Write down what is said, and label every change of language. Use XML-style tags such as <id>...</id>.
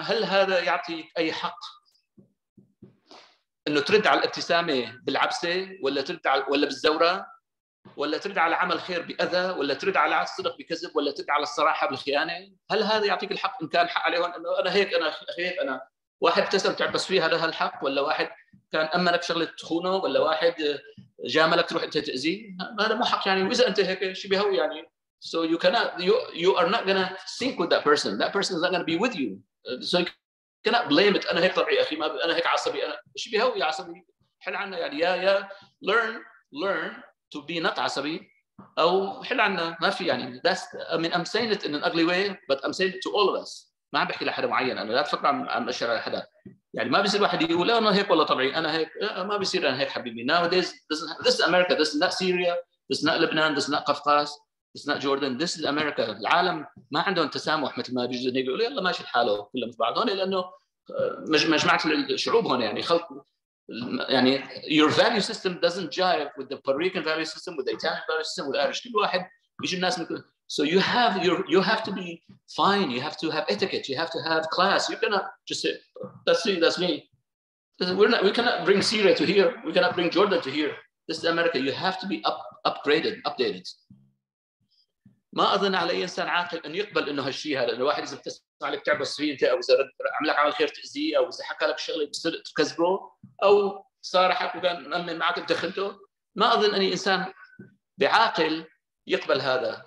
<ar>هل هذا يعطي أي حق إنه ترد على الابتسامة بالعبسة ولا ترد على ولا بالزورة ولا ترد على عمل خير بأذى ولا ترد على الصدق بكذب ولا ترد على الصراحة بالخيانة؟ هل هذا يعطيك الحق إن كان حق عليهم إنه أنا هيك أنا واحد ابتسم تعبس فيها هذا الحق ولا واحد كان أمنك شغلة تخونه ولا واحد جاملك تروح أنت تأذيه؟ هذا مو حق يعني. وإذا أنت هيك شو بهو يعني؟</ar> <en>So you cannot you are not gonna sync with that person. That person is not gonna be with you. So you cannot blame it.</en> <ar>أنا هيك طبيعي أخي ما أنا هيك عصبي أنا شو بهو يا عصبي؟ حل عنا يعني يا</ar> <en>learn to be not</en> <ar>عصبي أو حل عنا ما في يعني.</ar> <en>That's I mean I'm saying it in an ugly way, but I'm saying it to all of us.</en> <ar>ما عم بحكي لحدا معين. أنا لا تفكر عم أشر على حدا. يعني ما بيصير واحد يقول لا أنا هيك والله طبيعي أنا هيك ما بيصير أنا هيك حبيبي.</ar> <en>Nowadays this is America. This is not Syria. This is not Lebanon. This is not Qafqaz. It's not Jordan. This is America.</en> <ar>العالم ما عندهم تسامح مثل ما بيجوا يقولوا يلا ماشي الحاله كلهم في بعض هون لأنه مجموعة الشعوب هون يعني خلق يعني</ar> <en>your value system doesn't jive with the Puerto Rican value system with the Italian value system with Irish.</en> <ar>كل واحد بيجي الناس من كل...</ar> <en>So you have to be fine. You have to have etiquette. You have to have class. You cannot just say that's me. We cannot bring Syria to here. We cannot bring Jordan to here. This is America. You have to be upgraded, updated.</en> <ar>ما أظن على أي إنسان عاقل أن يقبل إنه هالشيء هذا. لأنه واحد إذا ابتسم عليك تعبس فيه أنت أو إذا رد عملك عمل خير تأذيه أو إذا حكى لك شغلة بتصير تكذبه أو صارحك وكان مأمن معك بدخلته. ما أظن أن إنسان بعاقل يقبل هذا.</ar>